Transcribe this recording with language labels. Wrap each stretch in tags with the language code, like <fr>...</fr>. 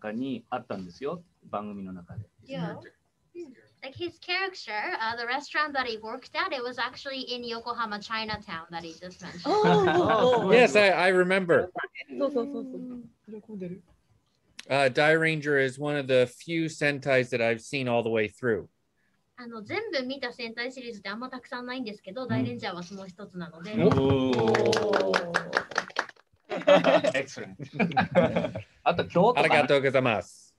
<ja>リョウの働いてたお店は中華街の中にあったんですよ、番組の中で。</ja> <en>Like his character, the restaurant that he worked at, it was actually in Yokohama Chinatown that he just mentioned. Yes, I remember. Dairanger is one of the few Sentais that I've seen all the way through.</en> <ja>あの、全部見たセンタイシリーズであんまたくさんないんですけど、ダイレンジャーはその一つなので。</ja> <en>Excellent.</en> <ja>ありがとう ございます。</ja>